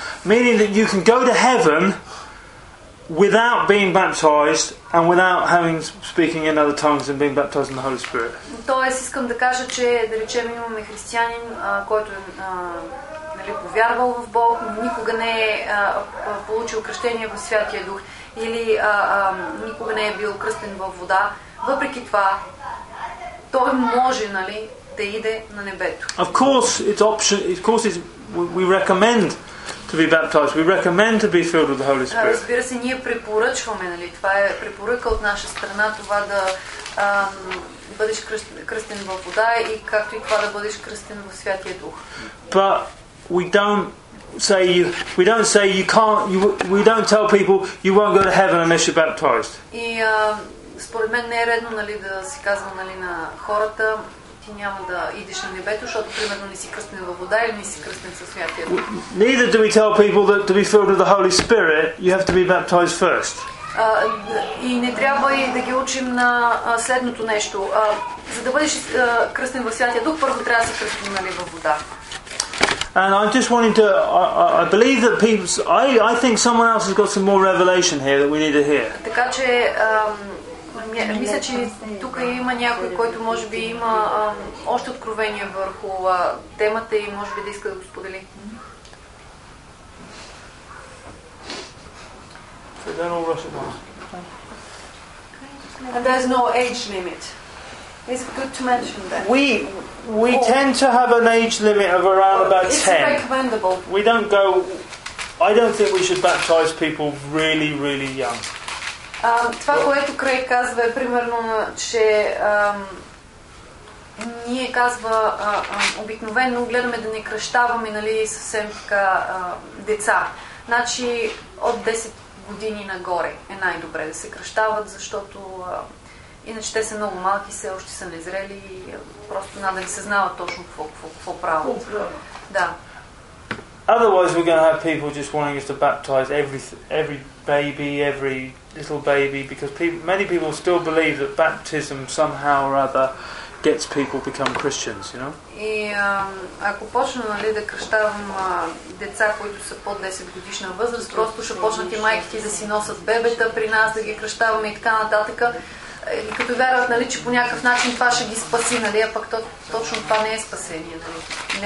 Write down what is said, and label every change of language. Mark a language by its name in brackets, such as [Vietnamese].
[English] Meaning that you can go to heaven without being baptized and without having speaking in other tongues and being baptized in the Holy Spirit. [Bulgarian] Тоест искам да кажа, че да речем имаме християнин, който е, нали, повярвал в Бог, но никога не е получил кръщение в Святия Дух или никога не е бил кръстен във вода. Въпреки това той може, нали, да иде на небето. [English] Of course, it's option. Of course, it's, we recommend to be baptized. We recommend to be filled with the Holy Spirit. [Bulgarian] Разбира се, ние препоръчваме, нали? Това е препоръка от наша страна, това да бъдеш кръстен във вода и както и това да бъдеш кръстен в Святия Дух. [English] But we don't tell people you won't go to heaven unless you're baptized. [Bulgarian] И според мен не е редно, нали, да си казва, нали, на хората няма да идеш на небето, защото примерно не си кръстен във вода или не си кръстен със Святия Дух. [English] Neither do we tell people that to be filled with the Holy Spirit, you have to be baptized first. [Bulgarian] И не трябва и да ги учим на следното нещо. За да бъдеш кръстен във Святия Дух, първо трябва да си кръстен, нали, във вода. [English] And I'm just wanting to I believe that people I think someone else has got some more revelation here that we need to hear. [Bulgarian] Така че мисля, че тук има някой, който може би има още откровение върху темата и може би да иска да го сподели. [English] There's no age limit. It's good to mention that. We tend to have an age limit of around about 10. It's recommendable. We don't go, I don't think we should baptize people really, really young. [Bulgarian] Това, което Крейг казва, е примерно, че ние казва обикновено гледаме да не кръщаваме, нали, съвсем така деца. Значи от 10 години нагоре е най-добре да се кръщават, защото иначе те са много малки, все още са незрели и просто надо ли се знават точно какво правят. Да. [English] Otherwise we're going to have people just wanting us to baptize every baby, every little baby, because many people still believe that baptism somehow or other gets people become Christians, you know? [Bulgarian] И ако почна, нали, да кръщавам деца, които са под 10 годишна възраст, просто ще почнат и майките да си носят бебета при нас, да ги кръщаваме и така нататък, и като вярват, нали, че по някакъв начин това ще ги спаси, нали, а пък то, точно това не е спасение, нали?